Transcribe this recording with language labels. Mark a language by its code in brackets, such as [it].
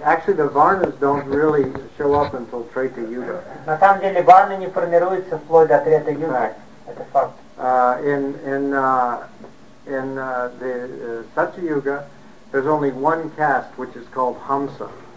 [en] Actually the varnas don't really show up until Treta Yuga. [ru] На самом деле варны не формируются вплоть до Трета Юга. Это факт. [en] In the Satya Yuga, there's only one caste which is called Hamsa.